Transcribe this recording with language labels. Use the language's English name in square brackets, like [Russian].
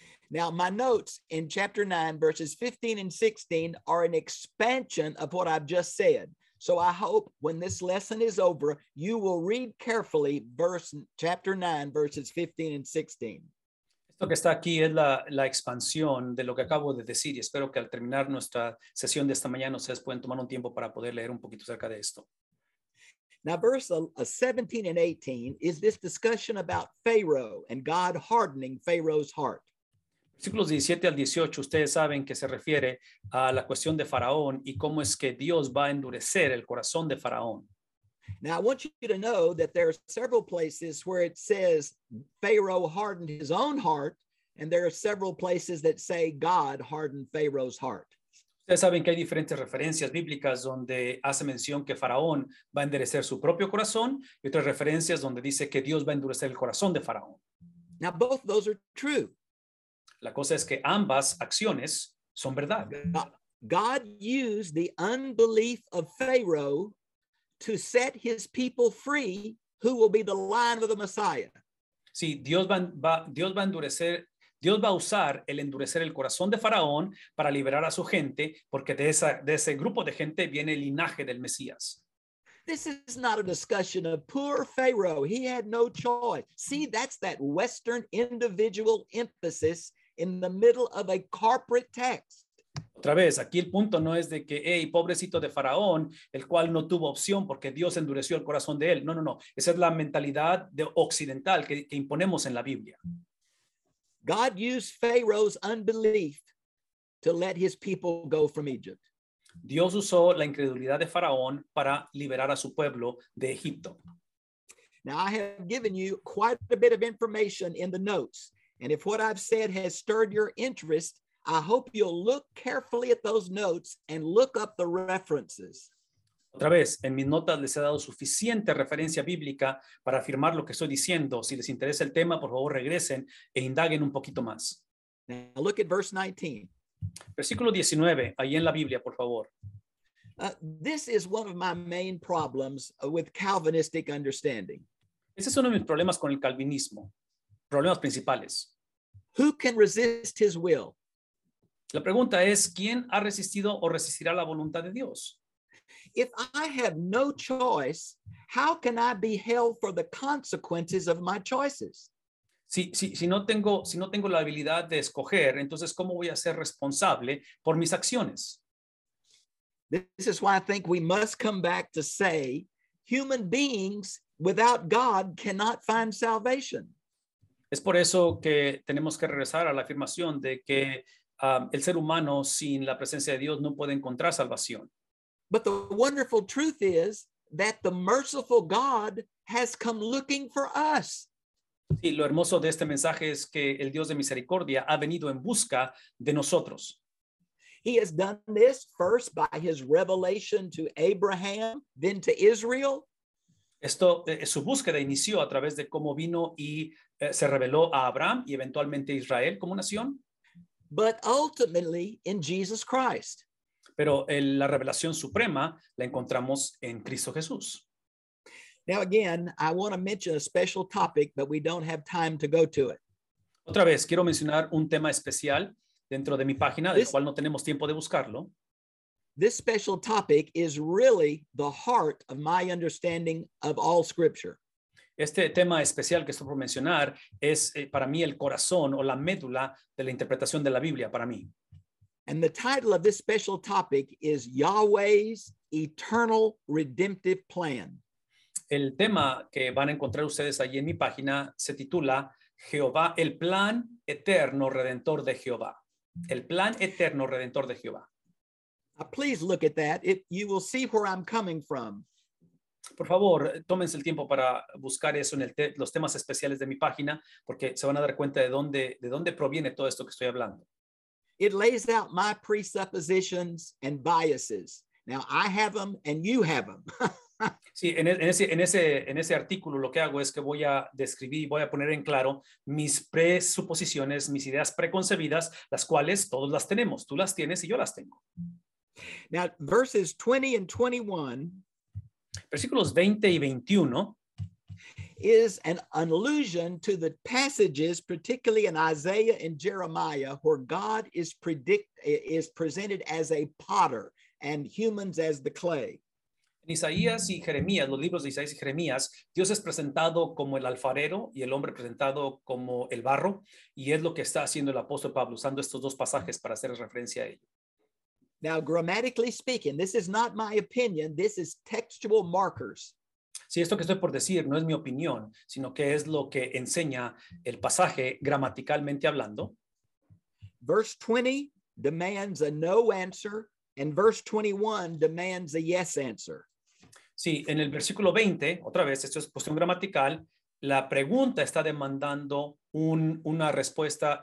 [English] Now, my notes in chapter 9, verses 15 and 16 are an expansion of what I've just said. So I hope when this lesson is over, you will read carefully chapter 9, verses 15 and 16. [Spanish] Esto que está aquí es la expansión de lo que acabo de decir y espero que al terminar nuestra sesión de esta mañana ustedes pueden tomar un tiempo para poder leer un poquito acerca de esto. [English] Now, verse 17 and 18 is this discussion about Pharaoh and God hardening Pharaoh's heart. [Spanish] Versículos 17 al 18, ustedes saben que se refiere a la cuestión de Faraón y cómo es que Dios va a endurecer el corazón de Faraón. [English] Now, I want you to know that there are several places where it says Pharaoh hardened his own heart, and there are several places that say God hardened Pharaoh's heart. [Spanish] Ustedes saben que hay diferentes referencias bíblicas donde hace mención que Faraón va a endurecer su propio corazón y otras referencias donde dice que Dios va a endurecer el corazón de Faraón. [English] Now both of those are true. [Spanish] La cosa es que ambas acciones son verdad. [English] God used the unbelief of Pharaoh to set his people free, who will be the line of the Messiah. [Spanish] Sí, Dios va a usar el endurecer el corazón de Faraón para liberar a su gente, porque de ese grupo de gente viene el linaje del Mesías. [English] This is not a discussion of poor Pharaoh. He had no choice. See, that's that Western individual emphasis in the middle of a corporate text. [Spanish] Otra vez, aquí el punto no es de que, hey, pobrecito de Faraón, el cual no tuvo opción porque Dios endureció el corazón de él. No, no, no. Esa es la mentalidad de occidental que imponemos en la Biblia. [English] God used Pharaoh's unbelief to let his people go from Egypt. [Spanish] Dios usó la incredulidad de Faraón para liberar a su pueblo de Egipto. [English] Now I have given you quite a bit of information in the notes. And if what I've said has stirred your interest, I hope you'll look carefully at those notes and look up the references. [Spanish] Otra vez, en mis notas les he dado suficiente referencia bíblica para afirmar lo que estoy diciendo. Si les interesa el tema, por favor regresen e indaguen un poquito más. [English] Now look at verse 19. [Spanish] Versículo 19, ahí en la Biblia, por favor. [English] This is one of my main problems with Calvinistic understanding. [Spanish] Ese es uno de mis problemas con el calvinismo. Problemas principales. [English] Who can resist his will? [Spanish] La pregunta es, ¿quién ha resistido o resistirá la voluntad de Dios? [English] If I have no choice, how can I be held for the consequences of my choices? [Spanish] Si no tengo la habilidad de escoger, entonces ¿cómo voy a ser responsable por mis acciones? [English] This is why I think we must come back to say human beings without God cannot find salvation. [Spanish] Es por eso que tenemos que regresar a la afirmación de que el ser humano sin la presencia de Dios no puede encontrar salvación. [English] But the wonderful truth is that the merciful God has come looking for us. [Spanish] Sí, lo hermoso de este mensaje es que el Dios de misericordia ha venido en busca de nosotros. [English] He has done this first by his revelation to Abraham, then to Israel. [Spanish] Esto, su búsqueda inició a través de cómo vino y se reveló a Abraham y eventualmente a Israel como nación. [English] But ultimately in Jesus Christ. [Spanish] Pero la revelación suprema la encontramos en Cristo Jesús. [English] Now again, I want to mention a special topic, but we don't have time to go to it. [Spanish] Otra vez, quiero mencionar un tema especial dentro de mi página, del cual no tenemos tiempo de buscarlo. [English] This special topic is really the heart of my understanding of all Scripture. [Spanish] Este tema especial que estoy por mencionar es para mí el corazón o la médula de la interpretación de la Biblia para mí. [English] And the title of this special topic is Yahweh's Eternal Redemptive Plan. [Spanish] El tema que van a encontrar ustedes allí en mi página se titula Jehová, el plan eterno redentor de Jehová. El plan eterno redentor de Jehová. [English] Now please look at that. You will see where I'm coming from. [Spanish] Por favor, tómense el tiempo para buscar eso en los temas especiales de mi página, porque se van a dar cuenta de dónde proviene todo esto que estoy hablando. [English] It lays out my presuppositions and biases. Now I have them and you have them. [Spanish] Sí, en ese artículo lo que hago es que voy a describir y voy a poner en claro mis presuposiciones, mis ideas preconcebidas, las cuales todos las tenemos. Tú las tienes y yo las tengo. [English] Now verses 20 and 21. [Spanish] Versículos 20 y 21. [English] Is an allusion to the passages, particularly in Isaiah and Jeremiah, where God is presented as a potter and humans as the clay. [Spanish] En Isaías y Jeremías, los libros de Isaías y Jeremías, Dios es presentado como el alfarero y el hombre presentado como el barro, y es lo que está haciendo el apóstol Pablo usando estos dos pasajes para hacer referencia a ello. [English] Now, grammatically speaking, this is not my opinion. This is textual markers. [Spanish] Sí, esto que estoy por decir no es mi opinión, sino que es lo que enseña el pasaje gramaticalmente hablando. [English] Verse 20 demands a no answer, and verse 21 demands a yes answer. [Spanish] Sí, en el versículo 20, otra vez, esto es cuestión gramatical, la pregunta está demandando una respuesta.